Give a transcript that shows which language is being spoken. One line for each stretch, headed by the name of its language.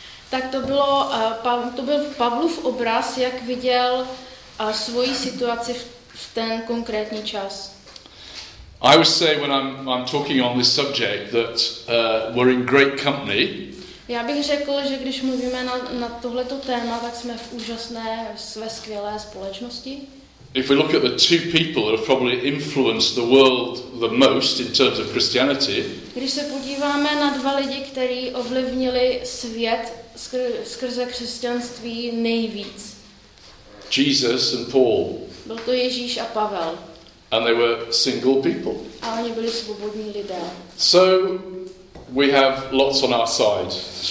Czech: Tak to bylo to byl Pavlův obraz, jak viděl svoji situaci v ten konkrétní čas.
English: I would say when I'm talking on this subject that we're in great company.
Czech: Já bych řekl, že když mluvíme na tohleto téma, tak jsme v úžasné, ve skvělé společnosti.
English: If we look at the two people that have probably influenced the world the most in terms of Christianity.
Czech: Když se podíváme na dva lidi, kteří ovlivnili svět skrze křesťanství nejvíc.
English: Jesus and Paul.
Czech: Byl to Ježíš a Pavel.
English: And they were single people.
Czech: A oni byli svobodní lidé.
English: So we have lots on our side.